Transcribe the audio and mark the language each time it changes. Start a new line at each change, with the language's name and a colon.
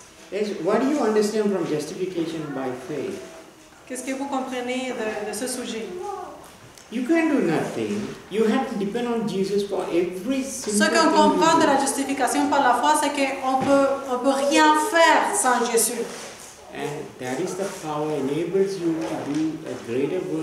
English: Is what do you understand from justification by faith?
French: Qu'est-ce que vous comprenez de ce sujet?
English: You can do nothing. You have to depend on Jesus for every single.
French: Ce qu'on comprend de la justification par la foi, c'est qu'on peut rien faire sans Jésus.
English: And that is the power enables you to do a greater work.